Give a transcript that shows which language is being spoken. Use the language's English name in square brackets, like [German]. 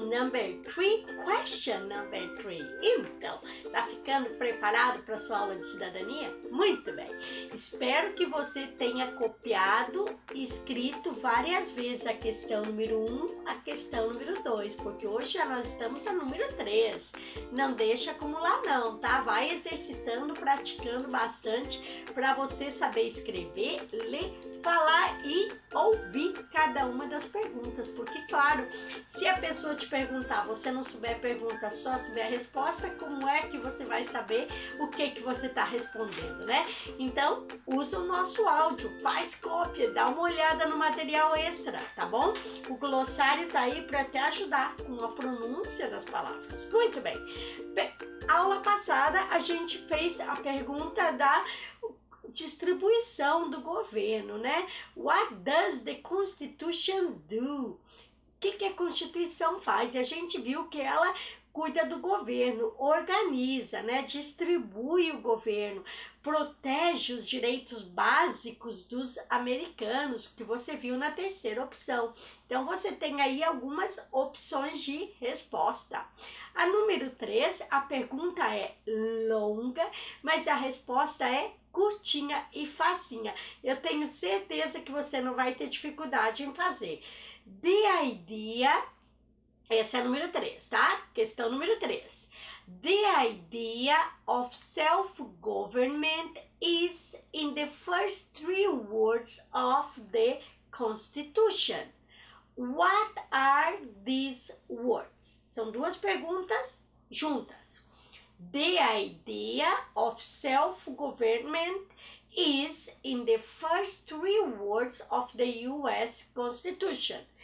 [English] number three, question number three. [Portuguese] Então, tá ficando preparado para sua aula de cidadania? Muito bem. Espero que você tenha copiado e escrito várias vezes a questão número 1, a questão número 2, porque hoje já nós estamos a número 3. Não deixa acumular não, tá? Vai exercitando, praticando bastante para você saber escrever, ler, falar e ouvir cada uma das perguntas. Porque, claro, se a pessoa te perguntar, você não souber a pergunta, só souber a resposta, como é que você vai saber o que que você está respondendo, né? Então, usa o nosso áudio, faz cópia, dá uma olhada no material extra, tá bom? O glossário tá aí para te ajudar com a pronúncia das palavras. Muito bem. Aula passada, a gente fez a pergunta da distribuição do governo, né? [English] What does the Constitution do? [Portuguese] O que que a Constituição faz? E a gente viu que ela cuida do governo, organiza, né? Distribui o governo, protege os direitos básicos dos americanos, que você viu na terceira opção. Então, você tem aí algumas opções de resposta. A número 3, a pergunta é longa, mas a resposta é curtinha e facinha. Eu tenho certeza que você não vai ter dificuldade em fazer. [English] The idea, [Portuguese] essa é a número 3, tá? Questão número 3. [English] The idea of self-government is in the first three words of the Constitution. What are these words? [Portuguese] São duas perguntas juntas. [English] The idea of self-government is in the first three words of the US Constitution.